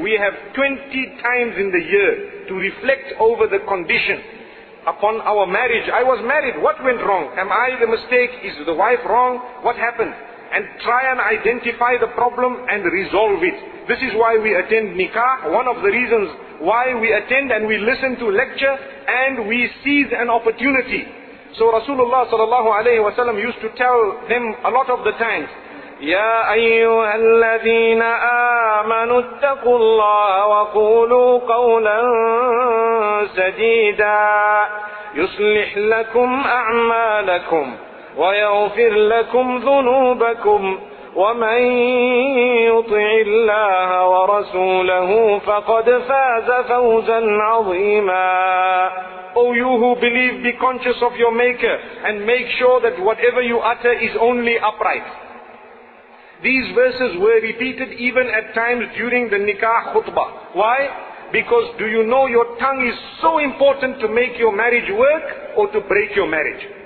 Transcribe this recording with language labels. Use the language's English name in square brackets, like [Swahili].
[English] We have 20 times in the year to reflect over the condition upon our marriage. I was married. What went wrong? Am I the mistake? Is the wife wrong? What happened? and try and identify the problem and resolve it. This is why we attend nikah, one of the reasons why we attend and we listen to lecture and we seize an opportunity. So Rasulullah sallallahu alayhi wa sallam used to tell them a lot of the times, [Arabic] يَا أَيُّهَا الَّذِينَ آمَنُوا اتَّقُوا اللَّهَ وَقُولُوا قَوْلًا سَدِيدًا يُصْلِحْ لَكُمْ أَعْمَالَكُمْ وَيَغْفِرْ لَكُمْ ذُنُوبَكُمْ وَمَنْ يُطِعِ اللَّهَ وَرَسُولَهُ فَقَدْ فَازَ فَوْزًا عَظِيمًا. [English] O you who believe, be conscious of your Maker and make sure that whatever you utter is only upright. These verses were repeated even at times during the nikah khutbah. Why? Because do you know your tongue is so important to make your marriage work or to break your marriage?